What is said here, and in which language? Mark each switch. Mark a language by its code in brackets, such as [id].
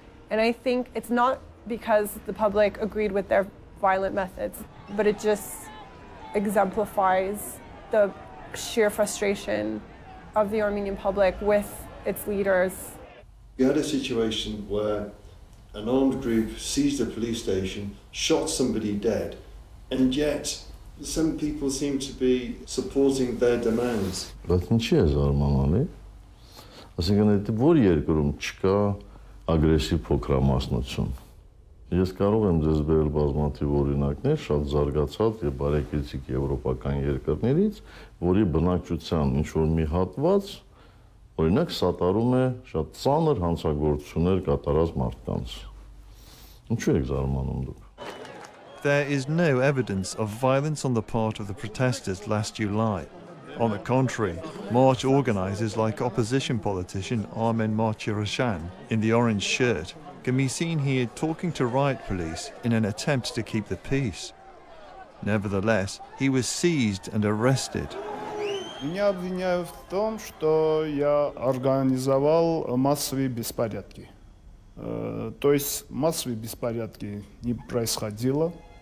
[en] And I think it's not because the public agreed with their violent methods, but it just exemplifies the sheer frustration of the Armenian public with its leaders. We had a situation where an armed group seized a police station, shot somebody dead, and yet Some people seem to be supporting their demands. [hy] But ինչի է զարմանալի? Ասենքան դա որ երկրում չկա ագրեսիվ փոքրամասնություն։ Ես կարող եմ ձեզ բերել բազմաթիվ օրինակներ շատ զարգացած եւ բարեկեցիկ եվրոպական երկրներից, որի բնակչության ինչ որ մի հատված օրինակ սատարում է շատ ծանր հանցագործություններ կատարած մարդկանց։ Ինչու եք զարմանում դուք։ [en] There is no evidence of violence on the part of the protesters last July. On the contrary, march organizers like opposition politician Armen Martirosyan in the orange shirt can be seen here talking to riot police in an attempt to keep the peace. Nevertheless, he was seized and arrested. [ru] Меня обвиняют в том, что я организовал массовые беспорядки. То есть массовые беспорядки не происходило.